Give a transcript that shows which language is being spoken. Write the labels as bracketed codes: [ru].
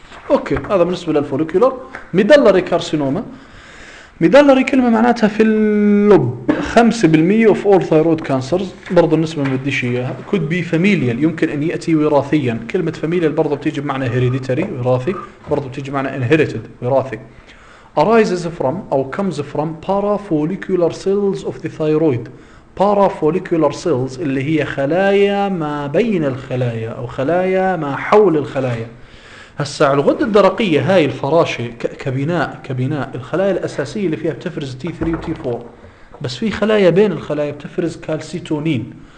[ar] اوكي، هذا بالنسبه للفوليكولر. ميدلري كارسينوما، ميدلري كلمه معناتها في اللب، [en] 5% of all thyroid cancers، [ar] برضو النسبة ما بديش إياها. [en] could be familial، [ar] يمكن أن يأتي وراثيا. كلمة familial برضو بتيجي بمعنى hereditary، وراثي، برضو بتيجي بمعنى inherited، وراثي. [en] arises from أو comes from parafollicular cells of the thyroid. [ar] parafollicular cells اللي هي خلايا ما بين الخلايا أو خلايا ما حول الخلايا. هسا على الغدة الدرقية هاي الفراشة كبناء، كبناء الخلايا الأساسية اللي فيها بتفرز T3 و T4، بس في خلايا بين الخلايا بتفرز كالسيتونين.